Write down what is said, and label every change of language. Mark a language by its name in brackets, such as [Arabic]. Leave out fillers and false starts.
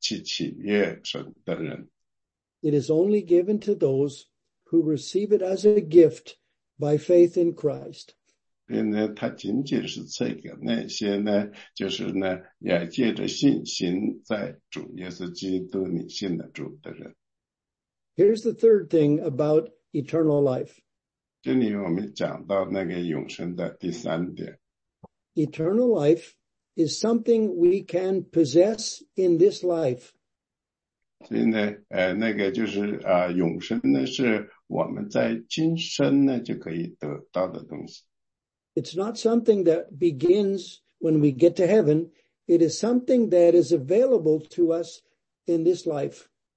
[Chinese] 所以呢,永生呢,并不是赐给那些呢,把自己那一部分做得最好,试图呢,靠自己去取悦神的人。 [English] It is only given to those who receive it as a gift by faith in Christ. [Chinese] 因为呢,他仅仅是赐给那些呢,就是呢,也借着信心在主耶稣基督你信的主的人。 [English] Here's the third thing about eternal life. [Chinese] 这里我们讲到那个永生的第三点。 [English] Eternal life is something we can possess in this life. [Chinese] 所以呢,那个就是永生呢,是 [English] It's not something that begins when we get to heaven. It is something that is available to us in this life.